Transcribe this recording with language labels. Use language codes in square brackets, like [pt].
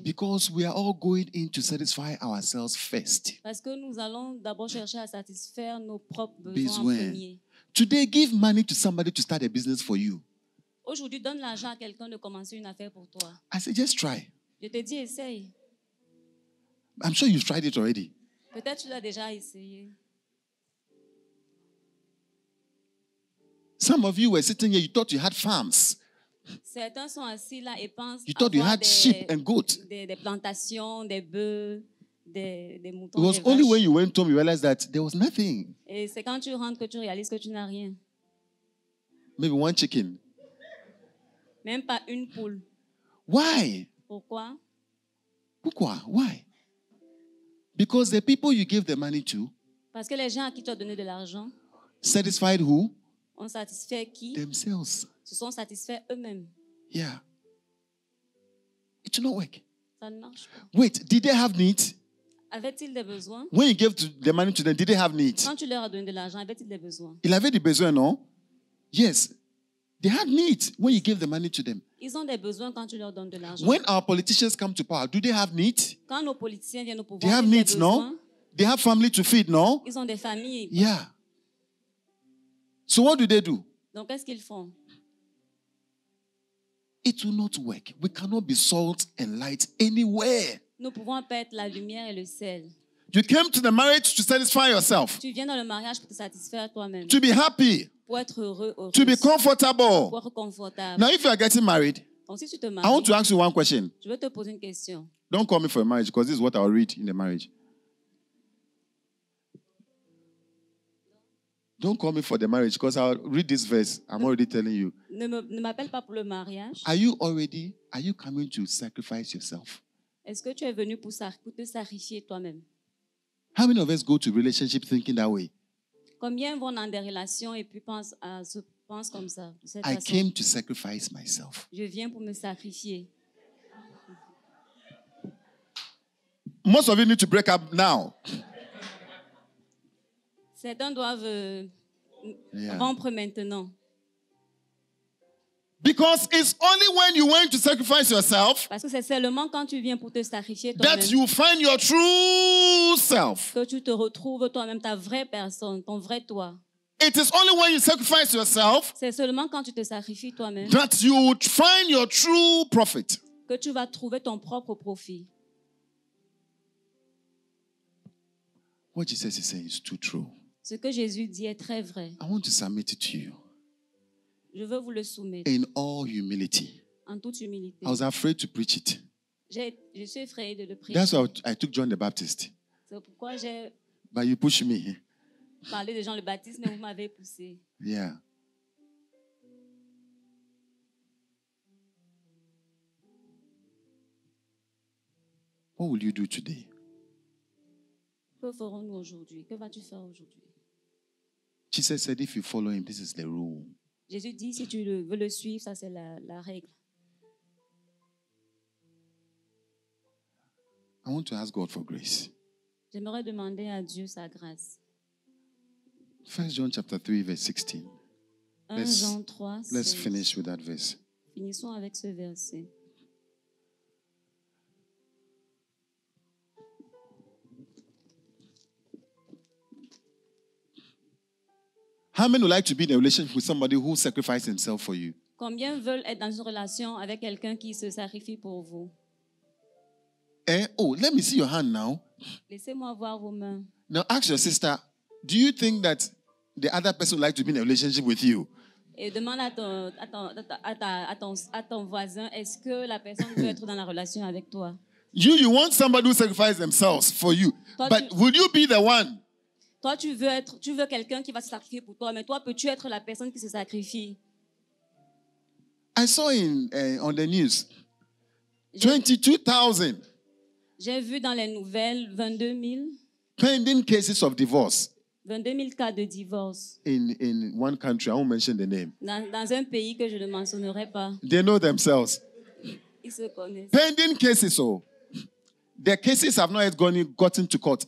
[en] Because we are all going in to satisfy ourselves first. [fr] Parce que nous allons d'abord chercher à satisfaire nos propres besoins. [en] Today, give money to somebody to start a business for you. [fr] Aujourd'hui, donne l'argent à quelqu'un de commencer une affaire pour toi. [en] I say, just try. [fr] Je te dis, essaye. [en] I'm sure you've tried it already. [fr] Peut-être tu l'as déjà essayé. [en] Some of you were sitting here, you thought you had farms. [fr] Certains sont assis là et pensent [en] you thought you had sheep and goats. [fr] Des plantations, des bœufs. [en] It was only when you went home you realized that there was nothing. [fr] Et c'est quand tu rentres que tu réalises que tu n'as rien. [en] Maybe one chicken. [fr] Même pas une poule. [en] Why? [fr] Pourquoi? Pourquoi? [en] Why? Because the people you give the money to. [fr] Parce que les gens à qui tu as donné de l'argent. [en] Satisfied who? [fr] Ont satisfait qui? [en] Themselves. [fr] Se sont satisfaits eux-mêmes. [en] Yeah. It did not work. [fr] Ça ne marche pas. [en] Wait, did they have needs? [fr] Avaient-ils des besoins? [en] When you gave the money to them, did they have needs? [fr] Quand tu leur as donné de l'argent, avaient-ils des besoins? Ils avaient des besoins, non? [en] Yes. They had needs when you gave the money to them. [fr] Ils ont des besoins quand tu leur donnes de l'argent. [en] When our politicians come to power, do they have needs? [fr] Quand nos politiciens viennent au pouvoir, [en] they have needs, [fr] non? [en] They have family to feed, non? [fr] Ils ont des familles. [en] Yeah. So what do they do? [fr] Donc qu'est-ce qu'ils font? [en] It will not work. We cannot be salt and light anywhere. [fr] Nous pouvons pas être la lumière et le sel. [en] You came to the marriage to satisfy yourself. [fr] Tu viens dans le mariage pour te satisfaire toi-même. [en] To be happy. [fr] Pour être heureux. [en] To be comfortable. [fr] Pour être confortable. [en] Now, if you are getting married, [fr] donc, si tu te maries, [en] I want to ask you one question. [fr] Je veux te poser une question. [en] Don't call me for a marriage because this is what I'll read in the marriage. Don't call me for the marriage because I'll read this verse. I'm already telling you. [fr] Ne m'appelle pas pour le mariage. [en] Are you coming to sacrifice yourself? [fr] Est-ce que tu es venu pour te sacrifier toi-même? [en] How many of us go to relationship thinking that way? [fr] Combien vont dans des relations et puis pensent comme ça? [en] I came to sacrifice myself. [fr] Je viens pour me sacrifier. [en] Most of you need to break up now. [fr] Certains doivent rompre maintenant. [en] Because it's only when you went to sacrifice yourself [fr] parce que c'est seulement quand tu viens pour te sacrifier toi-même [en] that you find your true self. [fr] Que tu te retrouves toi-même, ta vraie personne, ton vrai toi. [en] It is only when you sacrifice yourself [fr] c'est seulement quand tu te sacrifies toi-même [en] that you find your true profit. [fr] Que tu vas trouver ton propre profit. [en] What Jesus is saying is too true. [fr] Ce que Jésus dit est très vrai. [en] I want to submit it to you. [fr] Je veux vous le soumettre. [en] In all humility. [fr] En toute humilité. [en] I was afraid to preach it. [fr] Je suis effrayé de le prêcher. [en] That's why I took John the Baptist. [fr] C'est pourquoi j'ai. [en] But you pushed me. [fr] Parler de Jean le Baptiste, mais vous m'avez poussé. [en] Yeah. What will you do today? [fr] Que ferons-nous aujourd'hui? Que vas-tu faire aujourd'hui? [en] Jesus said, if you follow him, this is the rule. [fr] Jésus dit, si tu veux le suivre, ça c'est la règle. [en] I want to ask God for grace. [fr] J'aimerais demander à Dieu sa grâce. [en] 1 John chapter 3, verse 16. [fr] 1 Jean 3, 16. [en] Let's finish with that verse. [fr] Finissons avec ce verset. [en] How many would like to be in a relationship with somebody who sacrificed himself for you? [fr] Combien veulent être dans une relation avec quelqu'un qui se sacrifie pour vous? [en] Let me see your hand now. [fr] Laissez-moi voir vos mains. [en] Now ask your sister, do you think that the other person would like to be in a relationship with you? [fr] Et demande à ton voisin, est-ce que la personne veut être dans la relation avec toi? [en] You want somebody who sacrificed themselves for you, [fr] toi, [en] but would you be the one? [fr] Toi, tu veux quelqu'un qui va se sacrifier pour toi, mais toi, peux-tu être la personne qui se sacrifie? [en] I saw on the news, 22,000. [fr] J'ai vu dans les nouvelles 22 000. [en] Pending cases of divorce. [fr] 22 000 cas de divorce. [en] In one country, I won't mention the name. [fr] Dans un pays que je ne mentionnerai pas. [en] They know themselves. [fr] Ils se connaissent. [en] Pending cases, so. The cases have not yet gotten to court.